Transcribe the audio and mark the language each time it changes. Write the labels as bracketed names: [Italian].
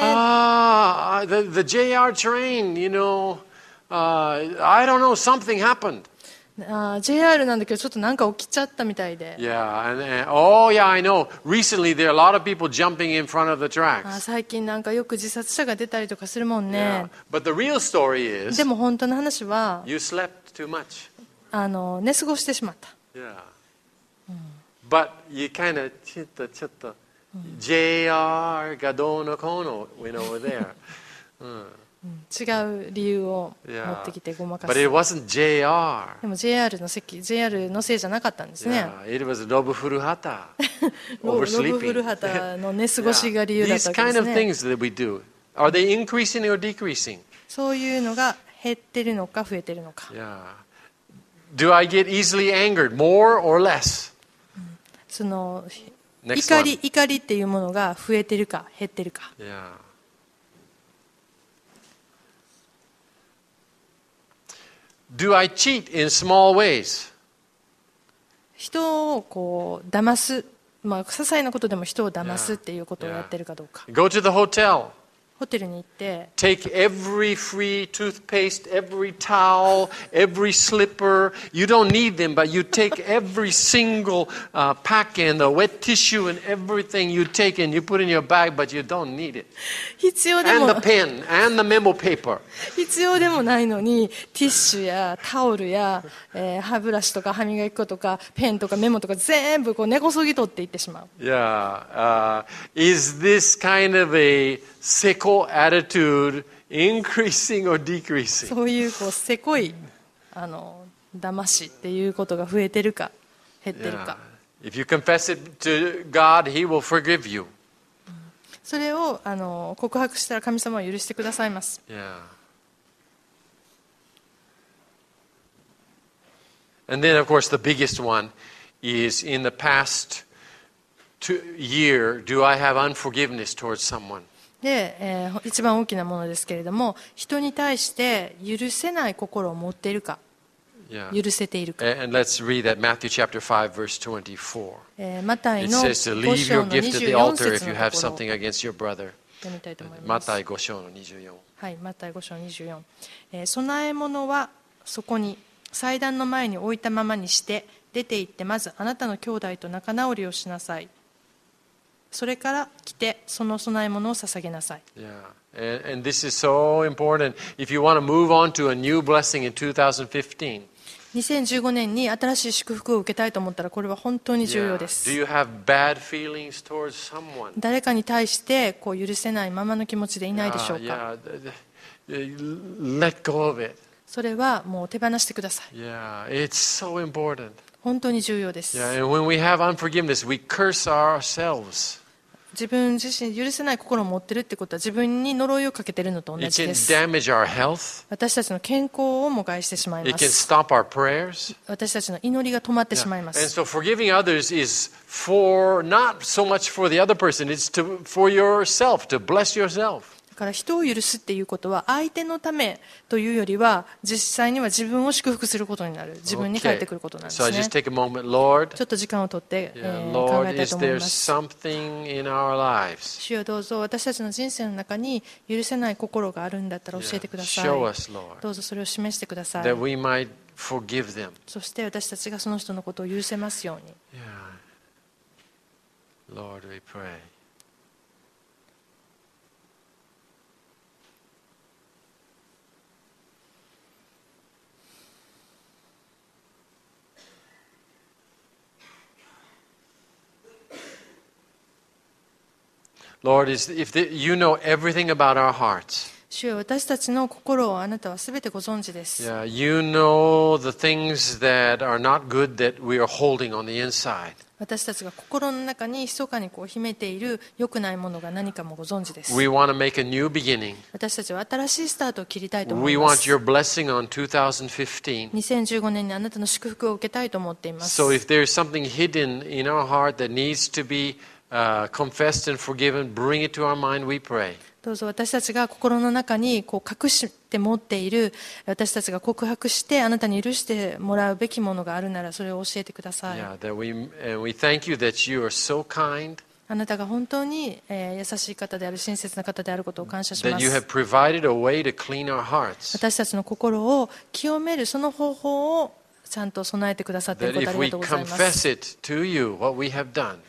[English] The JR train, you know, I don't know, something happened. [Japanese] JR なんだけど、ちょっとなんか起きちゃったみたいで。 [English] Yeah, and I know. Recently, there are a lot of people jumping in front of the tracks. [Japanese] 最近なんかよく自殺者が出たりとかするもんね。 [English] But the real story is. [Japanese] でも本当の話は。 [English] You slept too much. [Japanese] 寝過ごしてしまった。 [English] But you kind of [Japanese] ちょっと、JR がどうのこうの [English] went over there. [Japanese] 違う理由を持ってきてごまかす。 [English] But it wasn't JR. [Japanese] でも JR の席、JR のせいじゃなかったんですね。 [English] Yeah, it was ロブフルハタ。 [Japanese] ロブフルハタの寝過ごしが理由だったんですね。 [English] These kind of things that we do, are they increasing or decreasing? [Japanese] そういうのが減ってるのか増えてるのか。 [English] Yeah. Do I get easily angered, more or less? [Japanese] その怒りっていうものが増えてるか減ってるか。 [English] Do I cheat in small ways? [Japanese] 人をこう騙す、まあ些細なことでも人を騙すっていうことをやってるかどうか。 [English] Go to the hotel. [Japanese] ホテルに行って、 [English] Take every free toothpaste, every towel, every slipper. You don't need them, but you take every single pack and the wet tissue and everything you take and you put in your bag, but you don't need it. [Japanese] 必要でも、 [English] and the pen and the memo paper. [Japanese] 必要でもないのに、ティッシュやタオルや、歯ブラシとか歯磨き粉とかペンとかメモとか全部こう根こそぎ取っていってしまう。 [English] Yeah, is this kind of a Seco attitude increasing or decreasing? [Japanese] そういうこうせこい騙しっていうことが増えてるか減ってるか。 [English] If you confess it to God, He will forgive you. [Japanese] それを告白したら神様は許してくださいます。 [English] Yeah. And then of course the biggest one is in the past year, do I have unforgiveness towards someone? [Japanese] で、一番大きなものですけれども、人に対して許せない心を持っているか、 [English] yeah. [Japanese] 許せているか。 [English] And let's read that Matthew chapter 5, verse 24. [Japanese] マタイの5章の24節のところを。 [English] It says to leave your gift at the altar if you have something against your brother. [Japanese] 読みたいと思います。マタイ5章の24。はい、マタイ5章24。供え物はそこに、祭壇の前に置いたままにして、出て行ってまずあなたの兄弟と仲直りをしなさい。それから来てその供え物を捧げなさい。 [English] Yeah. And this is so important. If you want to move on to a new blessing in 2015, [Japanese] 2015年に新しい祝福を受けたいと思ったらこれは本当に重要です。 [English] Yeah. Do you have bad feelings towards someone? [Japanese] 誰かに対してこう許せないままの気持ちでいないでしょうか。 [English] Let go of it. [Japanese] それはもう手放してください。 [English] Yeah. It's so important. [Japanese] 本当に重要です。 [English] Yeah, and when we have unforgiveness, we curse ourselves. [Japanese] 自分自身許せない心を持ってるってことは自分に呪いをかけてるのと同じです。 [English] It can damage our health. [Japanese] 私たちの健康をも害してしまいます。 [English] It can stop our prayers. [Japanese] 私たちの祈りが止まってしまいます。 [English] Yeah. And so forgiving others is for not so much for the other person, it's to for yourself, to bless yourself. [Japanese] だから人を許すっていうことは相手のためというよりは実際には自分を祝福することになる自分に返ってくることなんですね、 [English] okay. so、I just take a moment, Lord, [Japanese] ちょっと時間を取って、 [English] Lord, [Japanese] 考えたいと思います。 [English] Is there something in our lives? [Japanese] 主よどうぞ私たちの人生の中に許せない心があるんだったら教えてください、 [English] yeah. Show us, Lord, [Japanese] どうぞそれを示してください [English] that we might forgive them. [Japanese] そして私たちがその人のことを許せますように、 [English] yeah. Lord, we prayLord, if you know everything about our hearts, [Japanese] 主よ私たちの心をあなたはすべてご存知です。 [English] Yeah, you know the things that are not good that we are holding on the inside. [Japanese] 私たちが心の中に密かにこう秘めている良くないものが何かもご存知です。 [English] We want to make a new beginning. [Japanese] 私たちは新しいスタートを切りたいと思います。 [English] We want your blessing on 2015. [Japanese] 2015年にあなたの祝福を受けたいと思っています。 [English] So if there is something hidden in our heart that needs to beconfessed and forgiven, bring it to our mind, we pray. [Japanese] どうぞ私たちが心の中にこう隠して持っている私たちが告白してあなたに許してもらうべきものがあるならそれを教えてください。 [English] Yeah, that we thank you that you are so kind. [Japanese] あなたが本当に、優しい方である親切な方であることを感謝します。 [English] That you have provided a way to clean our hearts. [Japanese] 私たちの心を清めるその方法をちゃんと備えてくださっていることありがとうございます。 [English] That if we confess it to you, what we have done.